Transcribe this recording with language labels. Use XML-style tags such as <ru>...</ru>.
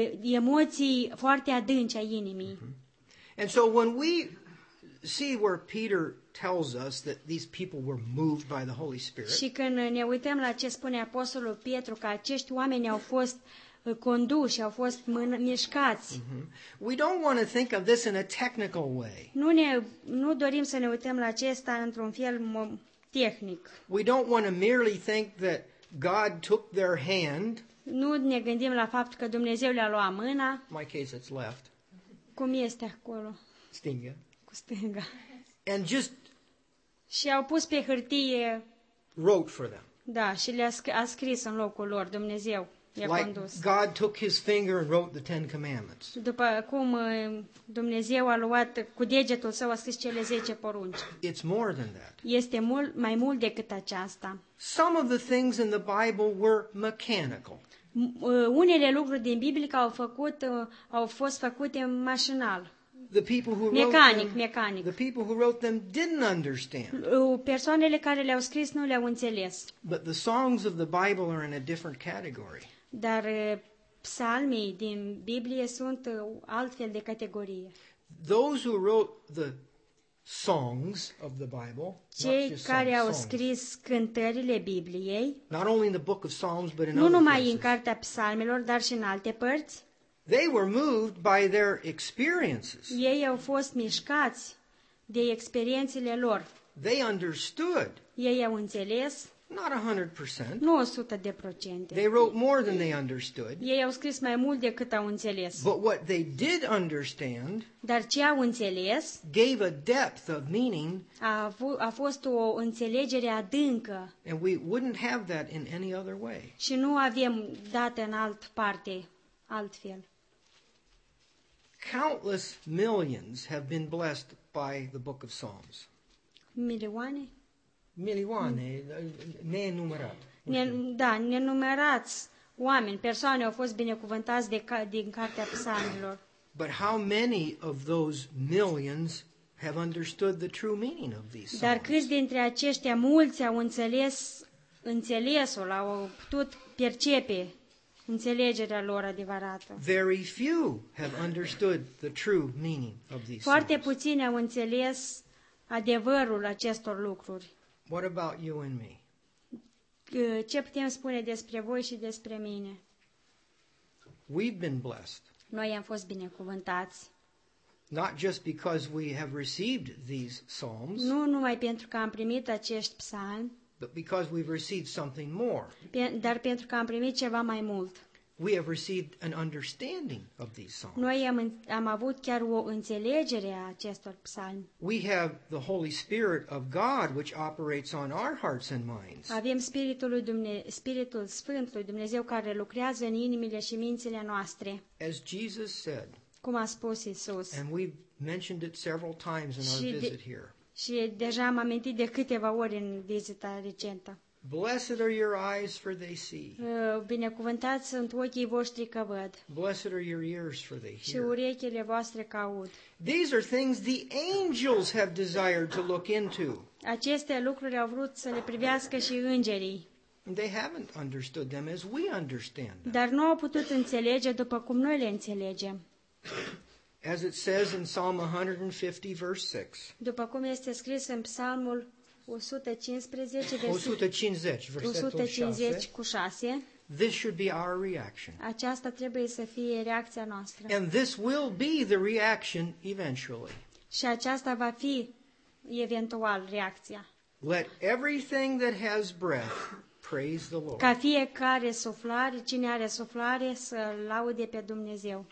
<ro>Emoții foarte adânci a inimii. Mm-hmm.</ro> <en>And so when we see where Peter tells us that these people were moved by the Holy Spirit.</en> <ro>Și când ne uităm la ce spune Apostolul Petru că acești oameni au fost conduși, au fost mișcați.</ro> <en>We don't want to think of this in a technical way.</en> <ro>Nu dorim să ne uităm la acesta într-un fel tehnic.</ro> <en>We don't want to merely think that God took their hand.</en> <ro>Nu ne gândim la faptul că Dumnezeu le-a luat mâna.</ro> <en>In my case it's left.</en> <ro>Cum este acolo? Stinga. Cu stinga.</ro> <en>And just</en> <ro>și au pus pe hârtie</ro> <en>wrote for them.</en> <ro>Da, și le-a scris în locul lor Dumnezeu i-a</ro> <en>like</en> <ro>condus.</ro> <en>God took his finger and wrote the Ten Commandments.</en> <ro>După cum Dumnezeu a luat cu degetul său a scris cele 10 porunci.</ro> <en>It's more than that.</en> <ro>Este mult mai mult decât aceasta.</ro> <en>Some of the things in the Bible were mechanical.</en> <ro>Unele lucruri din Biblie au fost făcute mașinal.</ro> <en>The people who mechanic, wrote them, mechanic. The people who wrote them didn't understand.</en> <ro>Persoanele care le-au scris nu le-au înțeles.</ro> <en>But the songs of the Bible are in a different category.</en> <ro>Dar psalmii din Biblie sunt altfel de categorie.</ro> <en>Those who wrote the songs of the Bible.</en> <ro>Cei care</ro> <en>songs,</en> <ro>au scris cântările Bibliei.</ro> <en>Not only in the book of Psalms, but in</en> <ro>nu</ro> <en>other</en> <ro>numai</ro> <en>places,</en> <ro>în cartea psalmilor, dar și în alte părți.</ro> <en>They were moved by their experiences.</en> <ro>Ei au fost mișcați de experiențele lor.</ro> <en>They understood.</en> <ro>Ei au înțeles.</ro> <en>Not 100%.</en> <ro>Nu 100%.</ro> <en>They wrote more than they understood.</en> <ro>Ei au scris mai mult decât au înțeles.</ro> <en>But what they did understand,</en> <ro>dar ce au înțeles,</ro> <en>gave a depth of meaning.</en> <ro>A fost o înțelegere adâncă.</ro> <en>And we wouldn't have that in any other way.</en> <ro>Și nu avem dată în alt parte altfel.</ro> <en>Countless millions have been blessed by the book of Psalms.</en> <ro>Milioane. Milioane, nenumărat. Da, nenumărați oameni, persoane au fost binecuvântați din cartea psalmilor.</ro> <en>But how many of those millions have understood the true meaning of these songs.</en> <ro>Dar câți dintre aceștia, mulți au înțeles-o, au putut percepe înțelegerea lor adevărată.</ro> <en>Very few have understood the true meaning of these songs.</en> <ro>Foarte puțini au înțeles adevărul acestor lucruri.</ro> <en>What about you and me?</en> <ro>Ce putem spune despre voi și despre mine?</ro> <en>We've been blessed.</en> <ro>Noi am fost binecuvântați.</ro> <en>Not just because we have received these psalms.</en> <ro>Nu numai pentru că am primit acești psalmi.</ro> <en>But because we've received something more.</en> <ro>Dar pentru că am primit ceva mai mult.</ro> <en>We have received an understanding of these psalms.</en> <ro>Noi am avut chiar o înțelegere a acestor psalmi.</ro> <en>We have the Holy Spirit of God which operates on our hearts and minds.</en> <ro>Avem Spiritul Sfânt lui Dumnezeu care lucrează în inimile și mințile noastre.</ro> <en>As Jesus said.</en> <ro>Cum a spus Isus.</ro> <en>And we've mentioned it several times in our visit here.</en> <ro>Și deja am amintit de câteva ori în vizita recentă.</ro> <en>Blessed are your eyes for they see.</en> <ro>Binecuvântați sunt ochii voștri că văd.</ro> <en>Blessed are your ears for they hear.</en> <ro>Și urechile voastre că aud.</ro> <en>These are things the angels have desired to look into.</en> <ro>Aceste lucruri au vrut să le privească și îngerii.</ro> <en>They haven't understood them as we understand them.</en> <ro>Dar nu au putut înțelege după cum noi le înțelegem.</ro> <en>As it says in Psalm 150 verse 6.</en> <ro>După cum este scris în Psalmul 150 cu 6.</ro> <en>This should be our reaction.</en> <ro>Aceasta trebuie să fie reacția noastră.</ro> <en>And this will be the reaction eventually.</en> <ro>Și aceasta va fi eventual reacția.</ro> <en>Let everything that has breath praise the Lord.</en> <ro>Ca fiecare suflare, cine are suflare, să laude pe Dumnezeu.</ro>